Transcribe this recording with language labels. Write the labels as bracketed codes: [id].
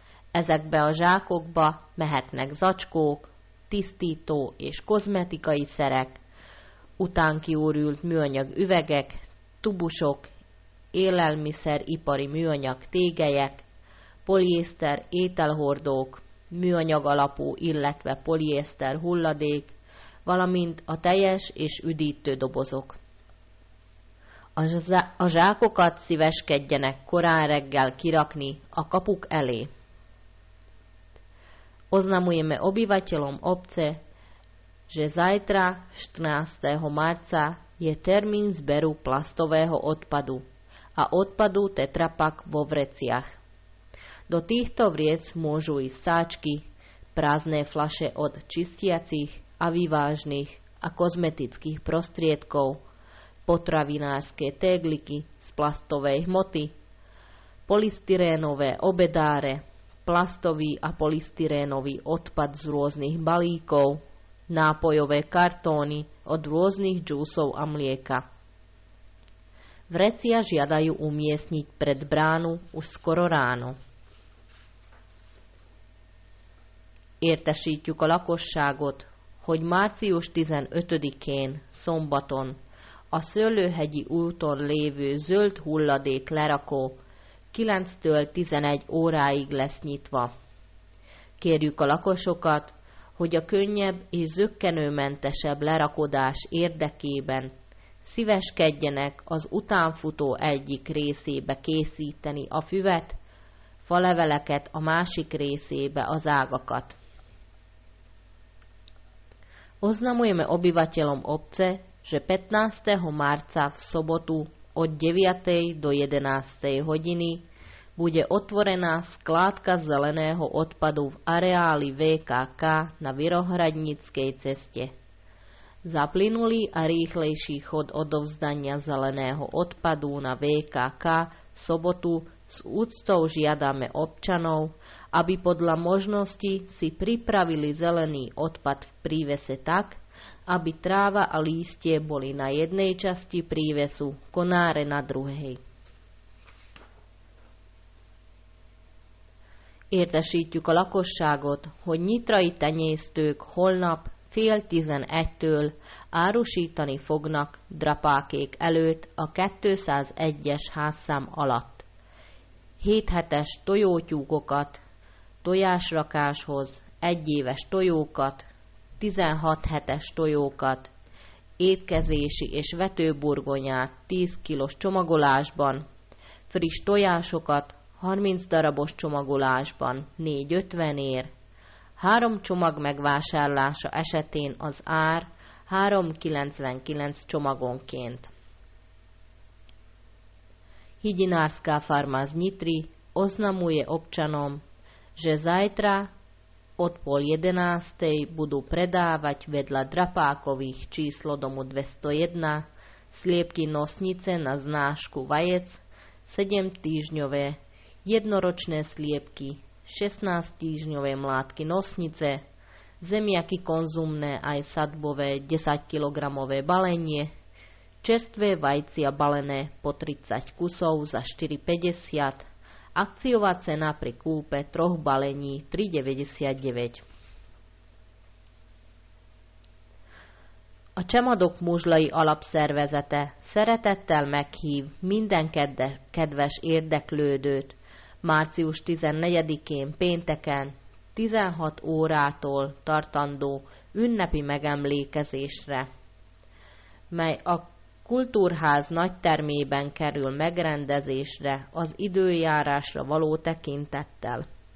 [hu] Ezekbe a zsákokba mehetnek zacskók, tisztító és kozmetikai szerek, utánkiúrült műanyag üvegek, tubusok, élelmiszeripari műanyag tégelyek, poliészter ételhordók, műanyag alapú, illetve poliészter hulladék, valamint a teljes és üdítő dobozok. A zsákokat szíveskedjenek korán reggel kirakni a kapuk elé. [sk] Oznamujeme obyvateľom obce, že zajtra, 14. marca, je termín zberu plastového odpadu a odpadu tetrapak vo vreciach. Do týchto vriec môžu ísť sáčky, prázdne fľaše od čistiacich a vyvážnych a kozmetických prostriedkov, potravinárske tegliky z plastovej hmoty, polystyrénové obedáre, plastový a polystyrénový odpad z rôznych balíkov, nápojové kartóny od rôznych džúsov a mlieka. Vrecia žiadajú umiestniť pred bránu už skoro ráno. [hu] Értesítjük a lakosságot, hogy március 15-én, szombaton, a Szőlőhegyi úton lévő zöld hulladék lerakó 9-től 11 óráig lesz nyitva. Kérjük a lakosokat, hogy a könnyebb és zökkenőmentesebb lerakodás érdekében szíveskedjenek az utánfutó egyik részébe készíteni a füvet, faleveleket a másik részébe az ágakat. [sk] Oznamujeme obyvateľom obce, že 15. marca v sobotu od 9. do 11. hodiny bude otvorená skládka zeleného odpadu v areáli VKK na Vyrohradníckej ceste. Za plynulý a rýchlejší chod odovzdania zeleného odpadu na VKK v sobotu s úctou žiadame občanov, aby podľa možnosti si pripravili zelený odpad v prívese tak, aby tráva a lístie boli na jednej časti prívesu, konáre na druhej. [hu] Értesítjük a lakosságot, hogy nyitrai tenyésztők holnap 10:30-től árusítani fognak drapákék előtt a 201-es házszám alatt. 7 hetes tojótyúkokat, tojásrakáshoz 1 éves tojókat, 16 hetes tojókat, étkezési és vetőburgonyát 10 kilos csomagolásban, friss tojásokat 30 darabos csomagolásban 4,50-ér. 3 csomag megvásárlása esetén az ár 3,99 csomagonként. [sk] Hygienárska farma z Nitry oznamuje občanom, že zajtra od 10:30 budú predávať vedľa drapákových číslo domu 201 sliepky nosnice na znášku vajec, 7 týždňové jednoročné sliepky, 16 týždňové mlátky nosnice, zemiaky konzumné aj sadbové 10 kg balenie, čerstvé vajcia balené po 30 kusov za 4,50, akciová cena pri kúpe troch balení 3,99. [hu] A Csemadok Muzslai Alapszervezete szeretettel meghív minden kedves érdeklődőt március 14-én pénteken 16 órától tartandó ünnepi megemlékezésre, mely a Kultúrház nagytermében kerül megrendezésre az időjárásra való tekintettel.